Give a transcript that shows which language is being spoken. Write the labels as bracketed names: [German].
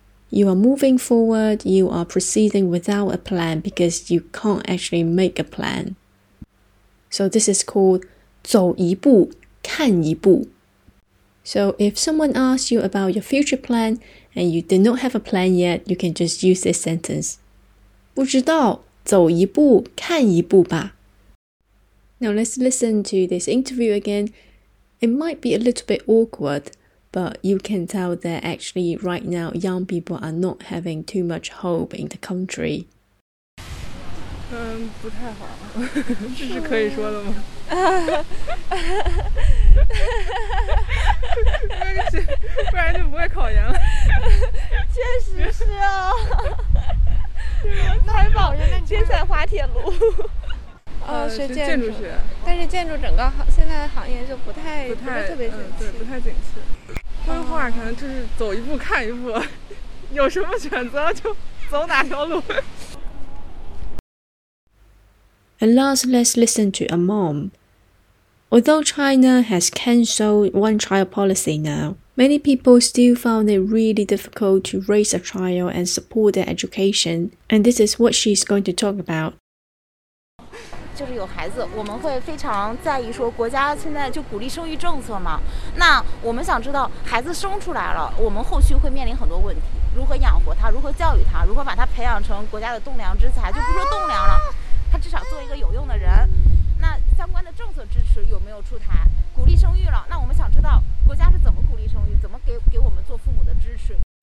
[English] You are moving forward, you are proceeding without a plan because you can't actually make a plan. So this is called [Chinese] 走一步看一步. [English] So if someone asks you about your future plan and you did not have a plan yet, you can just use this sentence. [Chinese] 不知道走一步看一步吧。 [English] Now let's listen to this interview again. It might be a little bit awkward, but you can tell that actually right now young people are not having too much hope in the country. [Chinese] 不太好，这是可以说的吗？不然就不会考研了。确实是啊。太保人了，天才滑铁卢。学建筑学，但是建筑整个现在的行业就不太特别景气，对，不太景气。规划可能就是走一步看一步，有什么选择就走哪条路。 [English] And last, let's listen to a mom. Although China has cancelled one-child policy now, many people still found it really difficult to raise a child and support their education. And this is what she's going to talk about. [Chinese] 就是有孩子我们会非常在意说国家现在就鼓励生育政策嘛那我们想知道孩子生出来了我们后续会面临很多问题如何养活他如何教育他如何把他培养成国家的栋梁之才就不说栋梁了他至少做一个有用的人那相关的政策支持有没有出台鼓励生育了那我们想知道国家是怎么鼓励生育怎么给我们做父母的支持